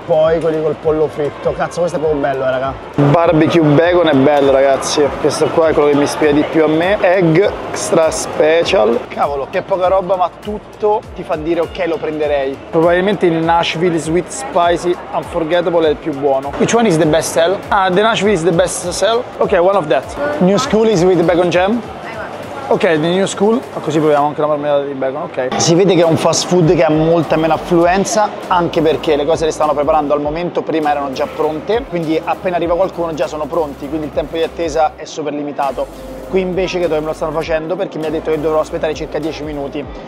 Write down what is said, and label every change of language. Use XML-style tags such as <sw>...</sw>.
<it>Poi quelli col pollo fritto. Cazzo, questo è proprio bello, raga. Barbecue bacon è bello, ragazzi. Questo qua è quello che mi ispira di più a me.</it> <en>Egg extra special.</en> <it>Cavolo, che poca roba, ma tutto ti fa dire ok, lo prenderei. Probabilmente il Nashville Sweet Spicy Unforgettable è il più buono.</it> <en>Which one is the best seller? Ah, the Nashville is the best sell. Ok, one of that. New School is with bacon jam. Ok, the New School.</en> <it>Così proviamo anche la marmellata di bacon, ok. Si vede che è un fast food che ha molta meno affluenza, anche perché le cose le stanno preparando al momento, prima erano già pronte, quindi appena arriva qualcuno già sono pronti, quindi il tempo di attesa è super limitato. Qui invece che dove me lo stanno facendo, perché mi ha detto che dovrò aspettare circa 10 minuti.</it>